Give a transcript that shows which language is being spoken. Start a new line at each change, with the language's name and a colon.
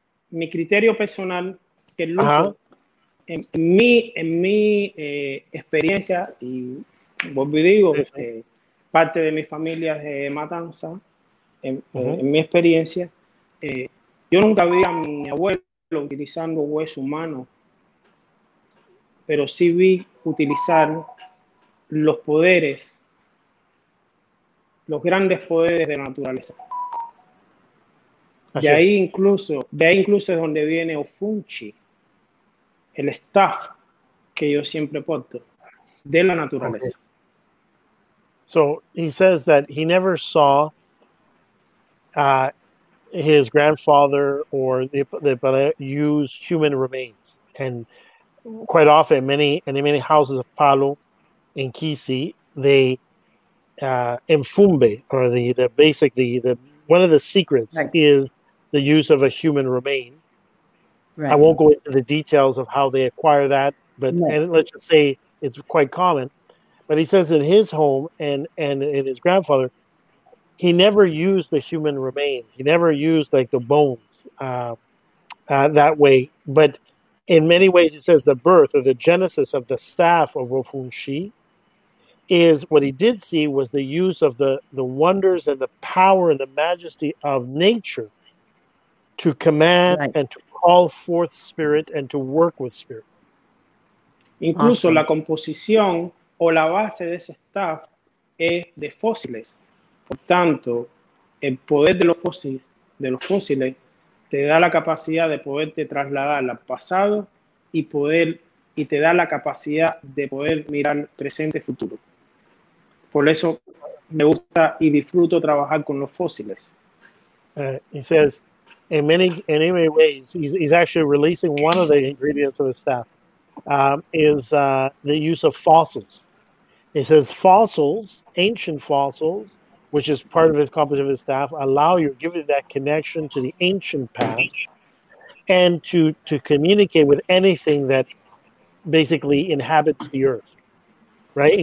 Spanish: Mi criterio personal, que el uso, en mi experiencia, y vuelvo y digo, parte de mi familia es de Matanza, en mi experiencia, yo nunca vi a mi abuelo utilizando hueso humano, pero sí vi utilizar los poderes, los grandes poderes de la naturaleza. Así. De ahí incluso es donde viene Ofunchi, el staff que yo siempre porto, de la naturaleza.
English: Okay. So he says that he never saw his grandfather or the Pale use human remains. And quite often, many houses of Palo in Kisi, they enfumbe, or the one of the secrets is the use of a human remain. Right. I won't go into the details of how they acquire that, but and let's just say it's quite common. But he says in his home and in his grandfather, he never used the human remains. He never used like the bones that way. But in many ways, he says the birth or the genesis of the staff of Ofunchi is what he did see was the use of the wonders and the power and the majesty of nature to command and to call forth spirit and to work with spirit.
Spanish: Incluso la composición o la base de ese staff es de fósiles. Por tanto, el poder de los fósiles te da la capacidad de poderte trasladar al pasado y te da la capacidad de poder mirar presente y futuro. Por eso me gusta y disfruto trabajar con los fósiles.
English: He says, in many ways, he's actually releasing one of the ingredients of his staff, is the use of fossils. It says fossils, ancient fossils, which is part of his competence of his staff, allow you, give you that connection to the ancient past and to communicate with anything that basically inhabits the earth, right?